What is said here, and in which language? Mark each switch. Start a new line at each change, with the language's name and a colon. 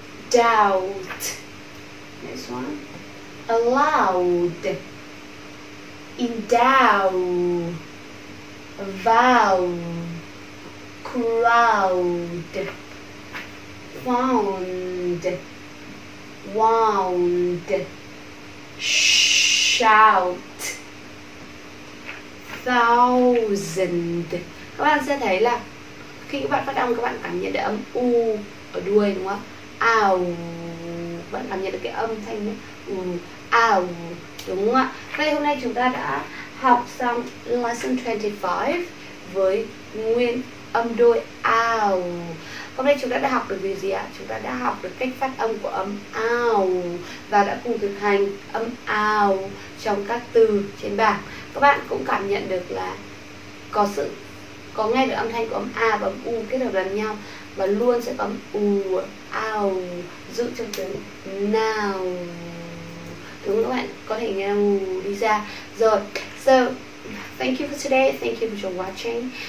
English: doubt, this one, allowed, endow, vow, crowd, found, wound, shout, thousand.
Vietnamese: Các bạn sẽ thấy là khi các bạn phát âm, các bạn cảm nhận được âm u ở đuôi đúng không? Ow. Các bạn cảm nhận được cái âm thanh u, ow, đúng không ạ? Vậy hôm nay chúng ta đã học xong lesson 25 với nguyên âm đuôi ow. Hôm nay chúng ta đã học được điều gì ạ? Chúng ta đã học được cách phát âm của âm ow và đã cùng thực hành âm ow trong các từ trên bảng. Các bạn cũng cảm nhận được là có nghe được âm thanh của âm a và âm u kết hợp lẫn nhau và luôn sẽ có âm u ow giữ trong tiếng now. Đúng các bạn có thể nghe đi ra rồi.
English: So thank you for today, thank you for watching.